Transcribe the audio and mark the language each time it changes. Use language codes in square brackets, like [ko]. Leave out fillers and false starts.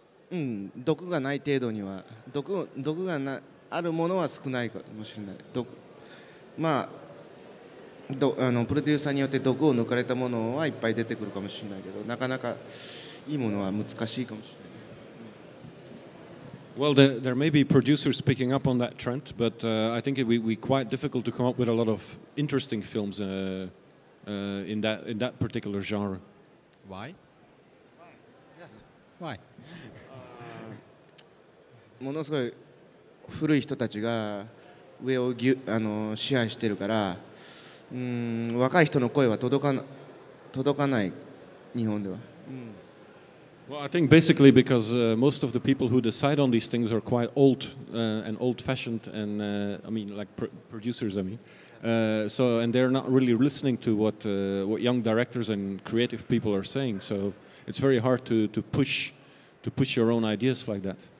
[ja] うん、毒がない程度には毒がなあるものは少ないかもしれない毒まあ、プロデューサーによって毒を抜かれたものはいっぱい出てくるかもしれないけどなかなかいいものは難しいかもしれない [en] Well, there may be producers picking up on that trend, but I think it would be quite difficult to come up with a lot of interesting films in that particular genre. Why? Yes. Why? [ja] ものすごい古い人たちが上を支配してるから、若い人の声は届かない日本では。 [en] Well, I think basically because most of the people who decide on these things are quite old and old-fashioned and I mean like producers. I mean, so and they're not really listening to what young directors and creative people are saying. So it's very hard to push your own ideas like that.